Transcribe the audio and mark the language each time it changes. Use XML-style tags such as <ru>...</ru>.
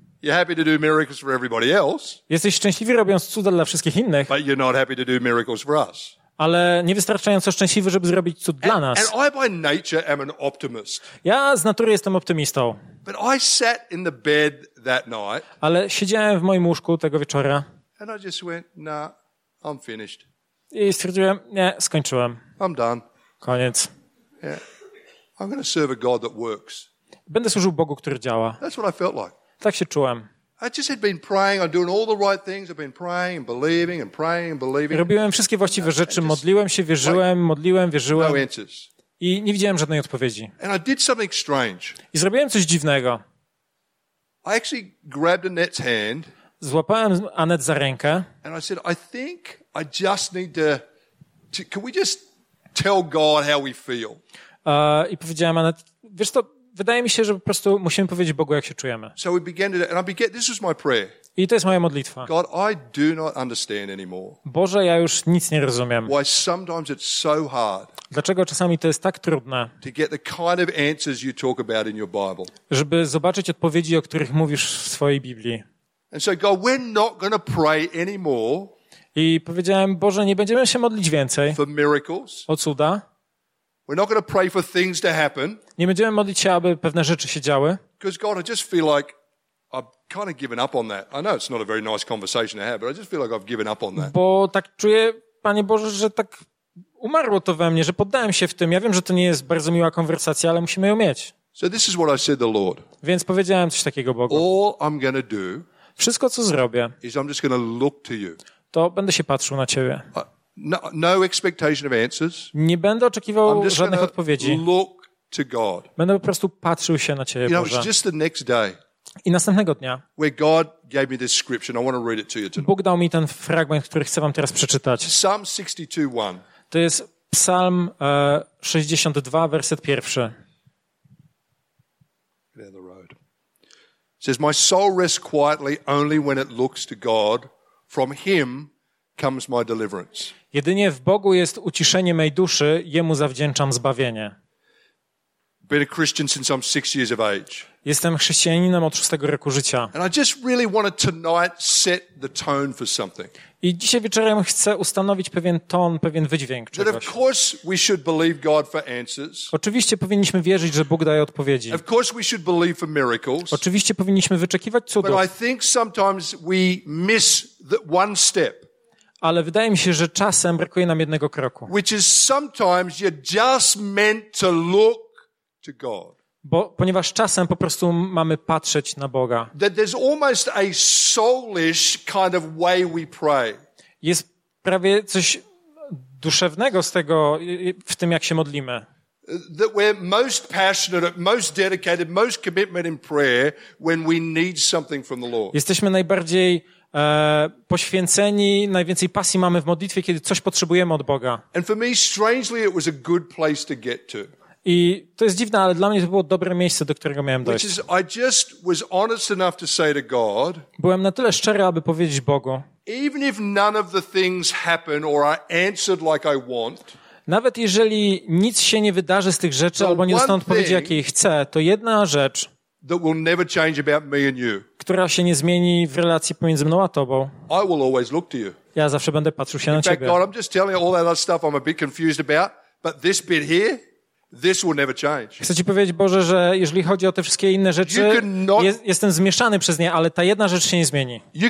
<en>You're happy to do miracles for everybody else.</en> <pl>Jesteś szczęśliwy, robiąc cuda dla wszystkich innych.</pl> <en>But you're not happy to do miracles for us.</en> <pl>Ale niewystarczająco szczęśliwy, żeby zrobić cud dla nas.</pl> <en>And I by nature am an optimist.</en> <pl>Ja z natury jestem optymistą.</pl> <en>But I sat in the bed that night,</en> <pl>ale siedziałem w moim łóżku tego wieczora</pl> <en>and I just went, nah, I'm finished.</en> <pl>I stwierdziłem, nie, skończyłem.</pl> <en>I'm done.</en> <pl>Koniec.</pl> <en>Yeah. I'm gonna serve a God that works.</en> <pl>Będę służył Bogu, który działa.</pl> <en>That's what I felt like.</en> <pl>Tak się czułem.</pl> <en>I just had been praying, I'm doing all the right things. I've been praying and believing and praying and believing.</en> <pl>Robiłem wszystkie właściwe rzeczy, modliłem się, wierzyłem, modliłem, wierzyłem.</pl> <en>No answers.</en> <pl>I nie widziałem żadnej odpowiedzi.</pl> <en>And I did something strange.</en> <pl>I zrobiłem coś dziwnego.</pl> <en>I actually grabbed Annette's hand.</en> <pl>Złapałem Annette za rękę.</pl> <en>And I said, I think I just need to can we just tell God how we feel?</en> <pl>I powiedziałem Annette, wiesz co, wydaje mi się, że po prostu musimy powiedzieć Bogu, jak się czujemy.</pl> <en>So we began to, and I began, this was my prayer.</en> <pl>I to jest moja modlitwa.</pl> <en>God, I do not understand anymore.</en> <pl>Boże, ja już nic nie rozumiem.</pl> <en>Why sometimes it's so hard.</en> <pl>Dlaczego czasami to jest tak trudne?</pl> <en>To get the kind of answers you talk about in your Bible.</en> <pl>Żeby zobaczyć odpowiedzi, o których mówisz w swojej Biblii.</pl> <en>And so God, we're not going to pray anymore.</en> <pl>I powiedziałem, Boże, nie będziemy się modlić więcej.</pl> <en>For miracles.</en> <pl>O cuda.</pl> <en>We're not going to pray for things to happen.</en> <pl>Nie będziemy modlić się, aby pewne rzeczy się działy.</pl> <en>Because God, I just feel like I've kind of given up on that. I know it's not a very nice conversation to have, but I just feel like I've given up on that.</en> <pl>Bo tak czuję, Panie Boże, że tak umarło to we mnie, że poddałem się w tym. Ja wiem, że to nie jest bardzo miła konwersacja, ale musimy ją mieć.</pl> <en>So this is what I said to the Lord.</en> <pl>Więc powiedziałem coś takiego Bogu.</pl> <en>All I'm going to do.</en> <pl>Wszystko co zrobię.</pl> <en>Is I'm just going to look to you.</en> <pl>To będę się patrzył na ciebie.</pl> <en>No expectation of answers.</en> <pl>Nie będę oczekiwał żadnych odpowiedzi.</pl> <en>Look to God.</en> <pl>Będę po prostu patrzył się na ciebie,</pl> <en>Boże. It was just the next day.</en> <pl>I następnego dnia.</pl> <en>Where God gave me this scripture, I want to read it to you tonight.</en> <pl>Bóg dał mi ten fragment, który chcę wam teraz przeczytać.</pl> <en>Psalm 62:1.</en> <pl>To jest Psalm 62, werset pierwszy.</pl> <en>Get out of the road. It says, my soul rests quietly only when it looks to God. From Him comes my deliverance.</en> <pl>Jedynie w Bogu jest uciszenie mej duszy, Jemu zawdzięczam zbawienie.</pl> <en>Been a Christian since I'm 6 years of age.</en> <pl>Jestem chrześcijaninem od 6 roku życia.</pl> <en>And I just really wanted tonight set the tone for something.</en> <pl>I dzisiaj wieczorem chcę ustanowić pewien ton, pewien wydźwięk czegoś.</pl> <en>That of course we should believe God for answers.</en> <pl>Oczywiście powinniśmy wierzyć, że Bóg daje odpowiedzi.</pl> <en>Of course we should believe for miracles.</en> <pl>Oczywiście powinniśmy wyczekiwać cudów.</pl> <en>But I think sometimes we miss the one step.</en> <pl>Ale wydaje mi się, że czasem brakuje nam jednego kroku.</pl> <en>Which is sometimes you're just meant to look to God.</en> <pl>Bo ponieważ czasem po prostu mamy patrzeć na Boga.</pl> <en>That there's almost a soulish kind of way we pray.</en> <pl>Jest prawie coś duszewnego z tego w tym jak się modlimy.</pl> <en>That we're most passionate, most dedicated, most commitment in prayer when we need something from the Lord.</en> <pl>Jesteśmy najbardziej poświęceni, najwięcej pasji mamy w modlitwie, kiedy coś potrzebujemy od Boga.</pl> <en>And for me strangely it was a good place to get to.</en> <pl>I to jest dziwne, ale dla mnie to było dobre miejsce, do którego miałem dojść.</pl> <en>Which is, I just was honest enough to say to God,</en> <pl>byłem na tyle szczery, aby powiedzieć Bogu.</pl> <en>Even if none of the things happen or are answered like I want,</en> <pl>nawet jeżeli nic się nie wydarzy z tych rzeczy albo nie dostanę odpowiedzi, jakiej chcę, to jedna rzecz,</pl> <en>that will never change about me and you,</en> <pl>która się nie zmieni w relacji pomiędzy mną a tobą,</pl> <en>I will always look to you.</en> <pl>Ja zawsze będę patrzył się</pl> <en>in</en> <pl>na</pl> <en>fact,</en> <pl>ciebie.</pl> <en>God, I'm just telling you all that stuff I'm a bit confused about, but this bit here, this will never change.</en> <pl>Chcę ci powiedzieć, Boże, że jeżeli chodzi o te wszystkie inne rzeczy, jestem zmieszany przez nie, ale ta jedna rzecz się nie zmieni.</pl>